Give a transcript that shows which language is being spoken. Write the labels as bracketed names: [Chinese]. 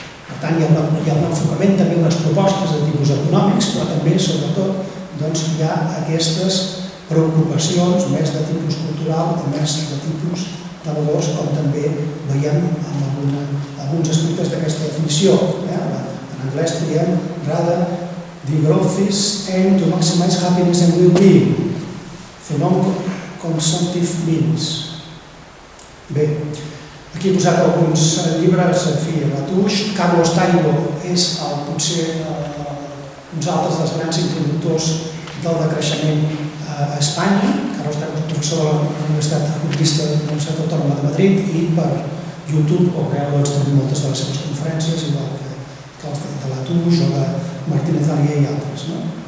[Catalan] Per tant, hi ha un enfocament, també unes propostes de tipus econòmics, però també, sobretot, hi ha aquestes preocupacions més de tipus cultural i més de tipus de valors, com també veiem en alguns aspectes d'aquesta definició. En anglès diem [English] rather degrowth is aimed to maximize happiness and well-being. Phenomenal consumptive means. [Catalan] Bé, aquí he posat alguns llibres, en fi, Latouche, Carlos Taibo és uns altres dels grans introductors del decreixement a Espanya. Carlos Taibo és professor de la Universitat Autista de la Universitat Autònoma de Madrid i per YouTube ho veu també moltes de les seves conferències, igual que els de Latouche o de Martínez Alier i altres. No?